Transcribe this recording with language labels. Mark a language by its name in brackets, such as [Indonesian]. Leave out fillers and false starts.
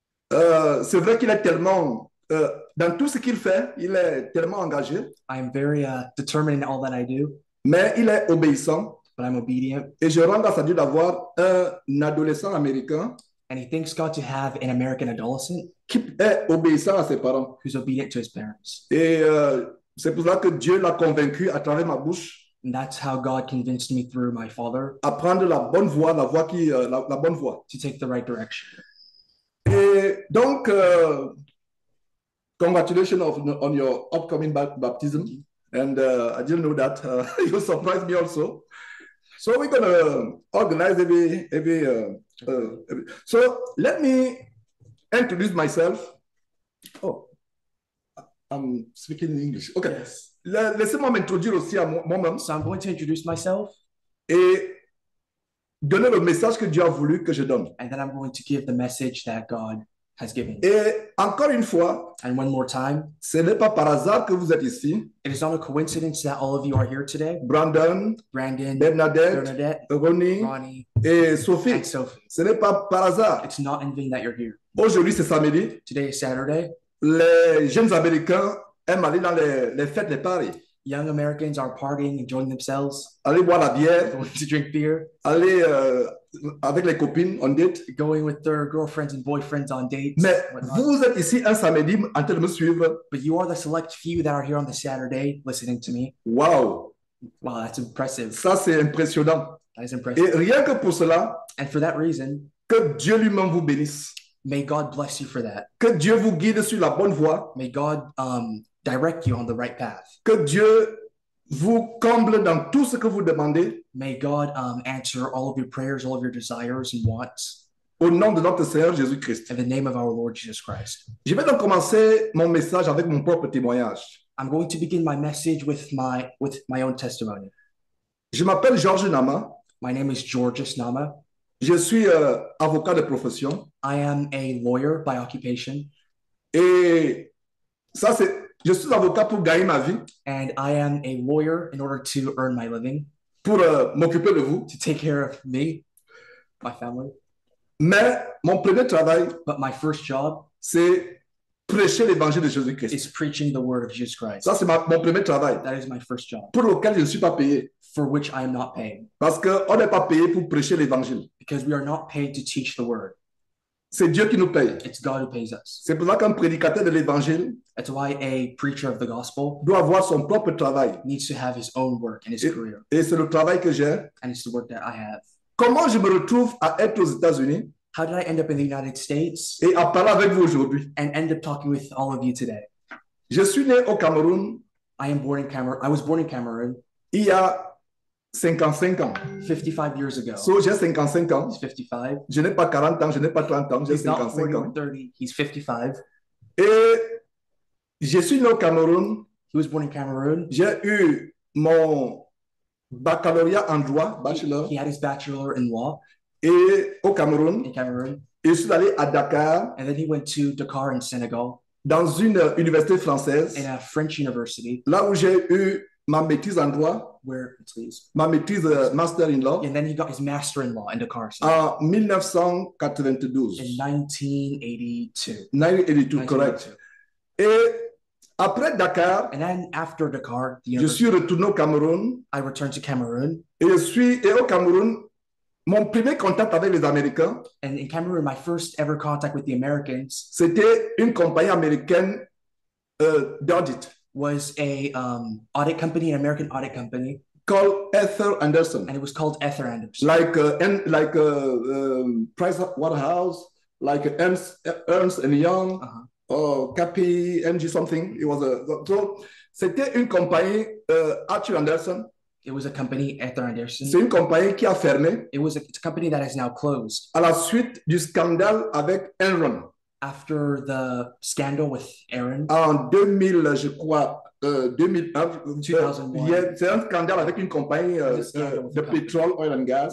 [French] C'est vrai qu'il est tellement dans tout ce qu'il fait, il est tellement engagé. [English] I am very determined in all that I do. [French] Mais il est obéissant. [English] But I'm obedient. [French] Et je rends grâce à Dieu d'avoir un adolescent américain. [English] And he thanks God to have an American adolescent. [French] Qui est obéissant à ses parents. [English] Who's obedient to his parents. [French] Et c'est pour ça que Dieu l'a convaincu à travers ma bouche. [English] And that's how God convinced me through my father. [French] À prendre la bonne voie, la voie qui, la bonne voie. [English] To take the right direction. [French] Et donc, [English] congratulations on your upcoming baptism. And I didn't know that. You surprised me also. So we're going to organize every. So let me introduce myself. Oh, I'm speaking in English. Okay. Yes. [French] Laissez-moi m'introduire aussi à moi-même. [English] So I'm going to introduce myself. [French] Et donner le message que Dieu a voulu que je donne. [English] And then I'm going to give the message that God has given. [French] Et encore une fois, [English] and one more time, [French] ce n'est pas par hasard que vous êtes ici. [English] It is not a coincidence that all of you are here today. Brandon, Bernadette, Ronnie, [French] et Sophie. Ce n'est pas par hasard. [English] It's not in vain that you're here. [French] Aujourd'hui, c'est samedi. [English] Today is Saturday. [French] Les jeunes Américains aiment aller dans les fêtes, les paris. [English] Young Americans are partying, enjoying themselves. [French] Aller boire la bière. [English] Going to drink beer. [French] Aller avec les copines [English] on date. Going with their girlfriends and boyfriends on dates. [French] Mais vous êtes ici un samedi en train de me suivre. [English] But you are the select few that are here on the Saturday listening to me. Wow. Wow, that's impressive. [French] Ça, c'est impressionnant. [English] That is impressive. [French] Et rien que pour cela. [English] And for that reason. [French] Que Dieu lui-même vous bénisse. [English] May God bless you for that. [French] Que Dieu vous guide sur la bonne voie. [English] May God direct you on the right path. [French] Que Dieu vous comble dans tout ce que vous demandez. [English] May God answer all of your prayers, all of your desires and wants. [French] Au nom de notre Seigneur Jésus Christ. [English] In the name of our Lord Jesus Christ. [French] Je vais donc commencer mon message avec mon propre témoignage. [English] I'm going to begin my message with my own testimony. [French] Je m'appelle Georges Nama. [English] My name is Georges Nama. [French] Je suis avocat de profession. [English] I am a lawyer by occupation. [French] Et ça c'est. Je suis avocat pour gagner ma vie. [English] And I am a lawyer in order to earn my living. [French] Pour m'occuper de vous. [English] To take care of me, my family. [French] Mais mon premier travail. [English] But my first job. [French] C'est prêcher l'évangile de Jésus Christ. [English] Is preaching the word of Jesus Christ. [French] Ça c'est mon premier travail. [English] That is my first job. [French] Pour lequel je ne suis pas payé. [English] For which I am not paid. [French] Parce que on n'est pas payé pour prêcher l'évangile. [English] Because we are not paid to teach the word. [French] C'est Dieu qui nous paye. [English] It's God who pays us. [French] C'est pour ça qu'un prédicateur de l'évangile. [English] That's why a preacher of the gospel [French] doit avoir son propre travail. [English] Needs to have his own work and his career. [French] Et c'est le travail que j'ai. [English] And it's the work that I have. [French] Comment je me retrouve à être aux États-Unis? [English] How did I end up in the United States? [French] Et à parler avec vous aujourd'hui. [English] And end up talking with all of you today. [French] Je suis né au Cameroun. [English] I was born in Cameroun. [French] Il y a 55 ans. [English] 55 years ago. [French] So j'ai 55 ans. [English] He's 55. [French] Je n'ai pas 40 ans, je n'ai pas 30 ans, j'ai 55 ans. [English] He's 55. [French] Et je suis né au Cameroun. [English] He was born in Cameroon. [French] J'ai eu mon baccalauréat en droit, bachelor. [English] He had his bachelor in law. [French] Et au Cameroun. [English] In Cameroon. [French] Et je suis allé à Dakar. [English] And then he went to Dakar in Senegal. [French] Dans une université française. [English] In a French university. [French] Là où j'ai eu ma maîtrise en droit. [English] Where, please. [French] Ma maîtrise, master-in-law. [English] And then he got his master-in-law in Dakar. So. 1992. In 1982. [French] 1982, correct. Et après Dakar. [English] And then after Dakar. [French] Je suis retourné au Cameroun. [English] I returned to Cameroon. [French] Et je suis, et au Cameroun, mon premier contact avec les Américains. [English] And in Cameroon, my first ever contact with the Americans. [French] C'était une compagnie américaine d'audit. [English] Was a audit company, an American audit company. Called Ether Anderson. And it was called Ether Anderson. Like Price Waterhouse, like Ernst and Young, or KPMG something. It was so [French] c'était une compagnie, Arthur Anderson. [English] It was a company, Ether Anderson. [French] C'est une compagnie qui a fermé. [English] It was a company that has now closed. [French] À la suite du scandale avec Enron. [English] After the scandal with Aaron. [French] En 2000, je crois, 2001. C'est un scandale avec une compagnie de pétrole, [English] oil and gas.